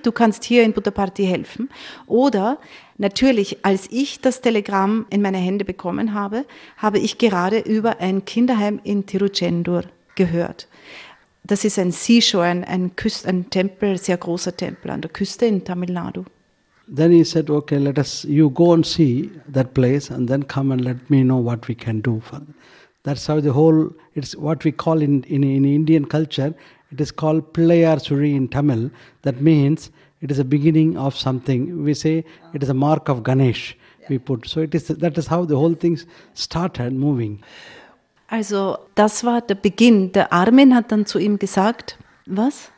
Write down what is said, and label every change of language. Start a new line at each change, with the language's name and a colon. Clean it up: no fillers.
German: Du kannst hier in Puttaparthi helfen. Oder natürlich, als ich das Telegramm in meine Hände bekommen habe, habe ich gerade über ein Kinderheim in Tiruchendur gehört. Das ist ein Seashore, ein Tempel, sehr großer Tempel an der Küste in Tamil Nadu.
English: Then he said, okay, let us, you go and see that place and then come and let me know what we can do for them. That's how the whole, it's what we call in Indian culture, it is called Pillayar Suri in Tamil. That means it is a beginning of something. We say it is a mark of Ganesh, yeah. We put. So it is, that is how the whole thing started moving.
German: Also, das war der Beginn. Der Armin hat dann zu ihm gesagt, was?